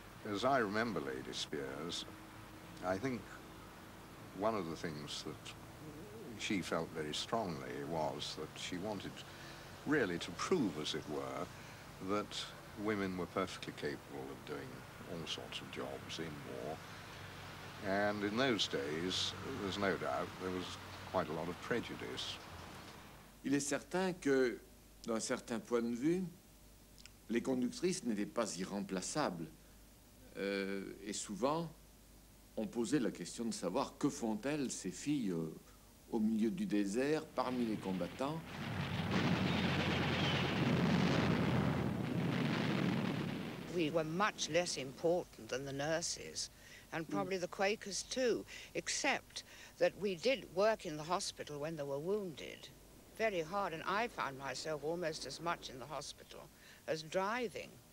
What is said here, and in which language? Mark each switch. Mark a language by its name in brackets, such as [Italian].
[English] As I remember Lady Spears, I think one of the things that she felt very strongly was that she wanted really to prove, as it were, that women were perfectly capable of doing all sorts of jobs in war. And in those days, there's no doubt, there was quite a lot of prejudice. [French] Il est certain que, d'un certain point de vue, les conductrices n'étaient pas irremplaçables. Et souvent, on posait la question de savoir que font-elles ces filles au milieu du désert, parmi les combattants. [English] We were much less important than the nurses, and probably the Quakers too, except that we did work in the hospital when there were wounded. Very hard, and I found myself almost as much in the hospital as driving.